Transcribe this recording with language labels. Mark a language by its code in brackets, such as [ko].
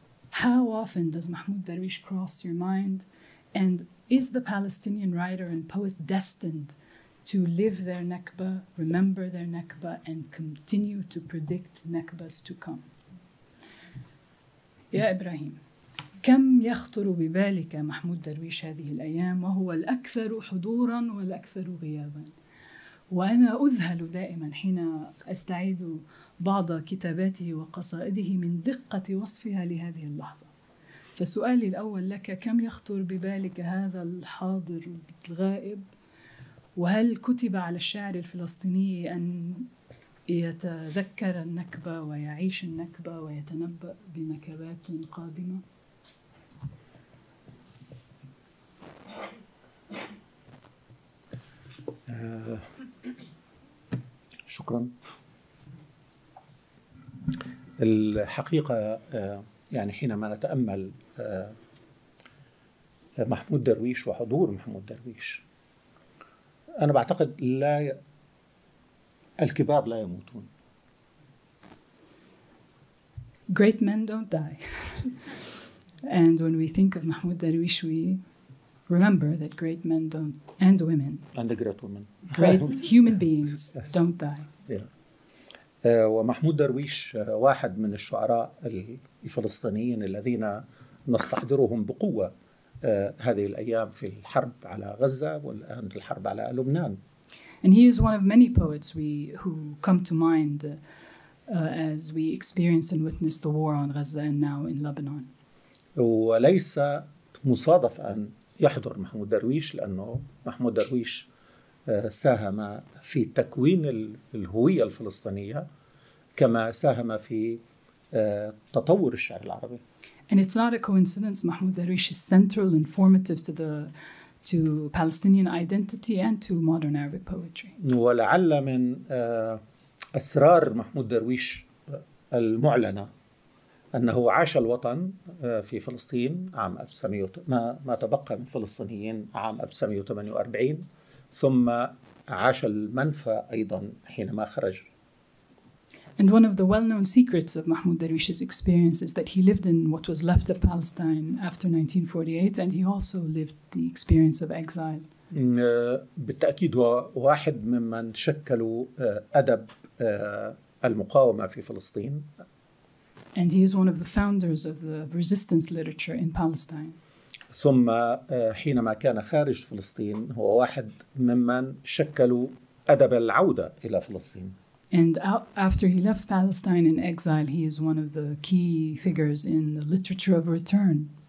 [en] How often does Mahmoud Darwish cross your mind? And is the Palestinian writer and poet destined to live their Nakba, remember their Nakba, and continue to predict Nakbas to come? Ya Ibrahim. [ar] كم يخطر ببالك محمود درويش هذه الأيام وهو الأكثر حضورا والأكثر غيابا وأنا أذهل دائما حين أستعيد بعض كتاباته وقصائده من دقة وصفها لهذه اللحظة فسؤالي الأول لك كم يخطر ببالك هذا الحاضر الغائب وهل كتب على الشاعر الفلسطيني أن يتذكر النكبة ويعيش النكبة ويتنبأ بنكبات قادمة شكرا الحقيقة يعني حينما نتأمل محمود درويش وحضور محمود درويش أنا بعتقد لا الكبار لا يموتون [en] Great men don't die. And when we think of Mahmoud Darwish, we remember that great men don't, and women. And the great women. Great human beings don't die. [ar] ومحمود درويش واحد من الشعراء الفلسطينيين الذين نستحضرهم بقوة هذه الأيام في الحرب على غزة والآن الحرب على لبنان. [en] And he is one of many poets who come to mind as we experience and witness the war on Gaza and now in Lebanon. [ar] وليس مصادف أن يحضر محمود درويش لأنه محمود درويش ساهم في تكوين الهوية الفلسطينية كما ساهم في تطور الشعر العربي. [en] And it's not a coincidence Mahmoud Darwish is central and formative to the to Palestinian identity and to modern Arabic poetry. [ar] ولعل من أسرار محمود درويش المعلنة أنه عاش الوطن في فلسطين عام ما تبقى من فلسطينيين عام 1948 ثم عاش المنفى أيضا حينما خرج. [en] And one of the well-known secrets of Mahmoud Darwish's experience is that he lived in what was left of Palestine after 1948 and he also lived the experience of exile. [ar] بالتأكيد هو واحد ممن شكلوا أدب المقاومة في فلسطين. [en] And he is one of the founders of the resistance literature in Palestine. [ar] ثم حينما كان خارج فلسطين هو واحد ممن شكلوا أدب العودة إلى فلسطين. [en] And after he left Palestine in exile, he is one of the key figures in the literature of return.